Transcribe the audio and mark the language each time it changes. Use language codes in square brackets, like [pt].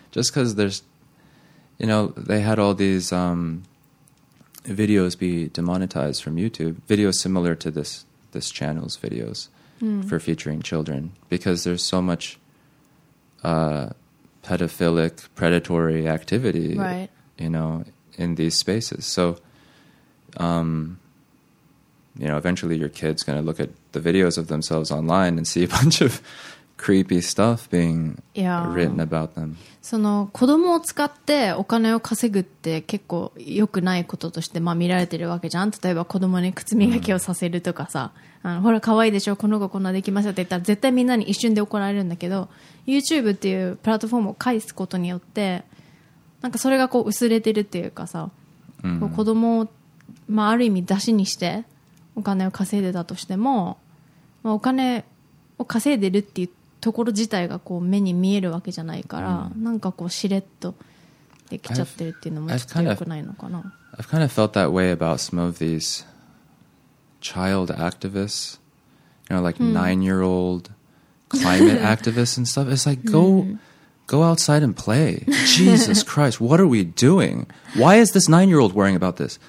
[en] Just because there's, you know, they had all these videos be demonetized from YouTube, videos similar to this channel's videos for featuring children, because there's so much pedophilic, predatory activity, right. You know, in these spaces. So. You know, eventually your kid's going to look at the videos of themselves online and see a bunch of creepy stuff being written about them. [ja] その子供を使ってお金を稼ぐって結構良くないこととして、まあ、見られてるわけじゃん。例えば子供に靴磨きをさせるとかさ、あのほら可愛いでしょ、この子こんなできましたって言ったら絶対みんなに一瞬で怒られるんだけど、 YouTube っていうプラットフォームを返すことによってなんかそれがこう薄れてるっていうかさ、こう子供をまあ、ある意味出しにしてお金を稼いでたとしても、まあ、お金を稼いでるっていうところ自体がこう目に見えるわけじゃないから、なんかこうしれっとできちゃってるっていうのもちょっと良くないのかな。 [en] I've kind of felt that way about some of these child activists, you know, like 9-year-old climate activists and stuff. It's like go outside and play. Jesus Christ, what are we doing? Why is this 9-year-old worrying about this?